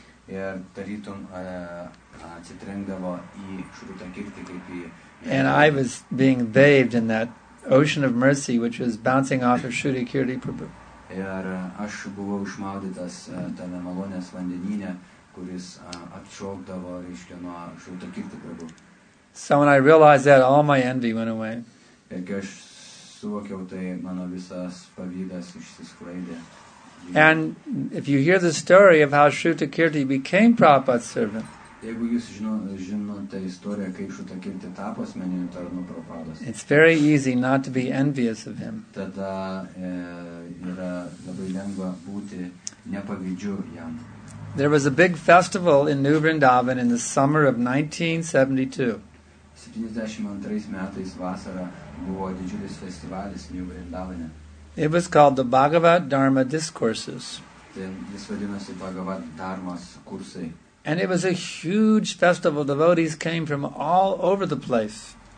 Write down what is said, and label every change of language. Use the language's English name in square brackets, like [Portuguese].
[Lithuanian] Ir tarytum atsitrenkdavo į Shuddha Kirti kaip į. [English] And I was being bathed in that ocean of mercy which was bouncing off of Shuddha Kirti Prabhu. [Lithuanian] Ir aš buvau išmaudytas tame malonės vandenyne, kuris atšaukdavo, reiškia, nuo Shuddha Kirti Prabhu. [English] So when I realized that, all my envy went away. [Lithuanian] Ir kai aš suvokiau tai, mano visas pavydas išsisklaidė. [English] And if you hear the story of how Shuddha Kirti became Prabhupada's servant, [Lithuanian] jeigu jūs žinote istoriją, kaip Shuddha Kirti tapo asmeniniu tarnu Prabhupados, [English] it's very easy not to be envious of him. [Lithuanian] Tada yra labai lengva būti nepavydžiu jam. [English] There was a big festival in New Vrindavan in the summer of 1972. [Lithuanian] 72 metais vasarą buvo didžiulis festivalis New Vrindavane. [English] It was called the Bhagavad Dharma Discourses. [Lithuanian] Jis vadinasi Bhagavad Dharmas kursai. [English] And it was a huge festival. Devotees came from all over the place.